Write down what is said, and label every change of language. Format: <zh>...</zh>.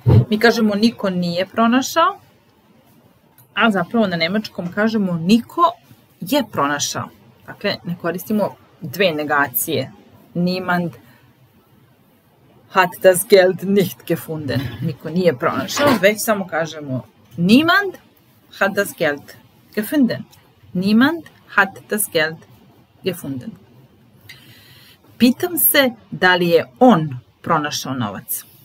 <sr>Mi kažemo niko nije pronašao. A zapravo na nemačkom kažemo niko je pronašao. Dakle, ne koristimo dve negacije.</sr> <de>Niemand hat das Geld nicht gefunden.</de> <sr>Niko nije pronašao, već samo kažemo</sr> <de>niemand hat das Geld gefunden. Niemand hat das Geld gefunden.</de> <sr>Pitam se da li je on pronašao novac.</sr>